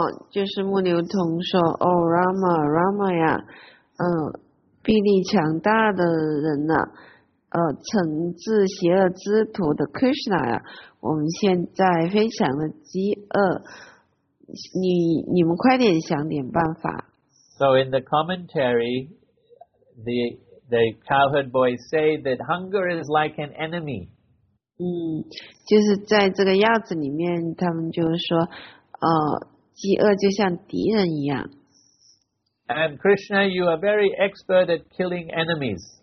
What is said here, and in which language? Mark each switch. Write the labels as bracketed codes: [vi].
[zh] 就是牧牛童说，哦 ，Rama Rama 呀，臂力强大的人呐、惩治邪恶之徒的 Krishna 呀，我们现在非常的饥饿，你们快点想点办法。 [en] So in the commentary, the cowherd boys say that hunger is like an enemy. [zh] 就是在这个药子里面他们就说饥饿就像敌人一样。 [en] And Krishna, you are very expert at killing enemies.